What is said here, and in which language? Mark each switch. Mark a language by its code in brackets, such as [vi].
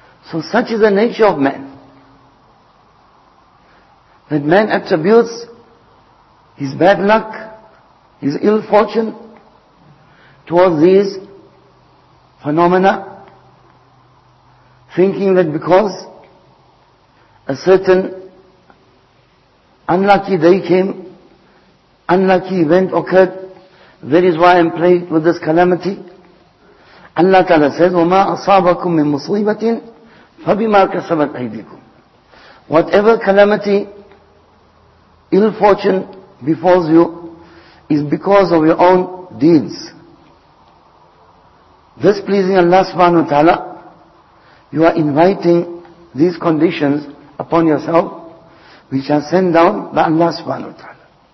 [en] So such is the nature of man, that man attributes his bad luck, his ill fortune, towards these phenomena, thinking that because a certain unlucky day came, unlucky event occurred, that is why I am plagued with this calamity. Allah Ta'ala says, [ar] وَمَا أَصَابَكُم مِّن مُصِيبَةٍ فَبِمَا كَسَبَتْ أَيْدِيكُمْ. [en] Whatever calamity, ill fortune befalls you, is because of your own deeds. Displeasing Allah Subhanahu Wa Ta'ala, you are inviting these conditions upon yourself, which are sent down by Allah Subhanahu Wa Ta'ala.